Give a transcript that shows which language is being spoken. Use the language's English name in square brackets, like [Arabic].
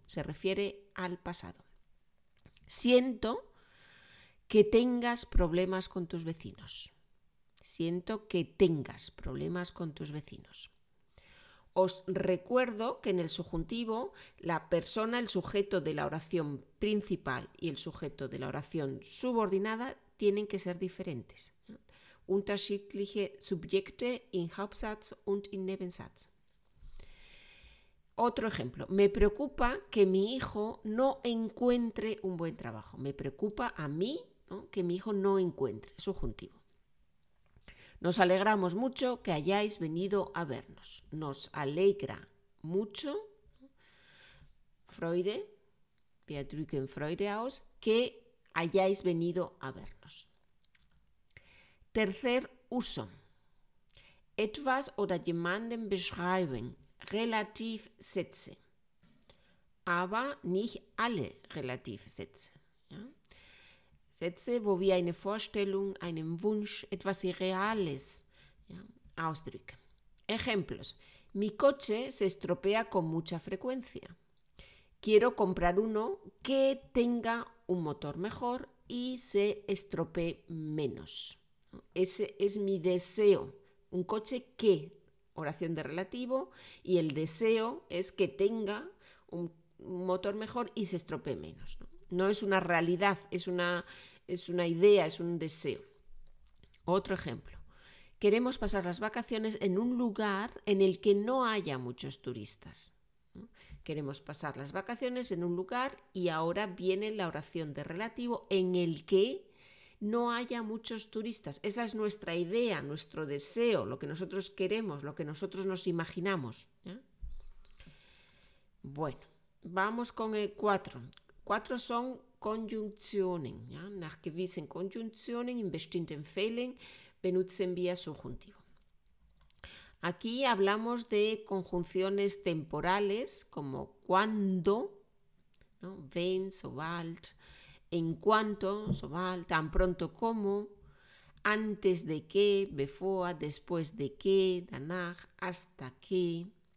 [Spanish] Se refiere al pasado. Siento que tengas problemas con tus vecinos. Siento que tengas problemas con tus vecinos. Os recuerdo que en el subjuntivo, la persona, el sujeto de la oración principal y el sujeto de la oración subordinada tienen que ser diferentes. [German] Unterschiedliche Subjekte in Hauptsatz und in Nebensatz. [Spanish] Otro ejemplo, me preocupa que mi hijo no encuentre un buen trabajo. Me preocupa a mí. ¿No? Que mi hijo no encuentre, subjuntivo. Nos alegramos mucho que hayáis venido a vernos. Nos alegra mucho, [German] Freude, Beatrücken Freude aus, [Spanish] que hayáis venido a vernos. Tercer uso. [German] Etwas oder jemanden beschreiben, Relativsätze. Aber nicht alle Relativsätze. Sätze, wo wir eine Vorstellung, einen Wunsch, etwas Irreales, ja, ausdrücken. [Spanish] Ejemplos. Mi coche se estropea con mucha frecuencia. Quiero comprar uno que tenga un motor mejor y se estropee menos. Ese es mi deseo. Un coche que, oración de relativo, y el deseo es que tenga un motor mejor y se estropee menos, ¿no? No es una realidad, es una idea, es un deseo. Otro ejemplo. Queremos pasar las vacaciones en un lugar en el que no haya muchos turistas. ¿No? Queremos pasar las vacaciones en un lugar y ahora viene la oración de relativo en el que no haya muchos turistas. Esa es nuestra idea, nuestro deseo, lo que nosotros queremos, lo que nosotros nos imaginamos. ¿Ya? Bueno, vamos con el 4. Cuatro son conjunciones, ¿ya? [German] Nach gewissen Konjunktionen, in bestimmten Fällen, benutzen wir subjuntivo. [Spanish] Aquí hablamos de conjunciones temporales como cuando, ¿no? [German] Wenn, sobald, [Spanish] en cuanto, [German] sobald, [Spanish] tan pronto como, antes de que, [English] before, [Spanish] después de que, [German] danach, [Spanish] hasta que.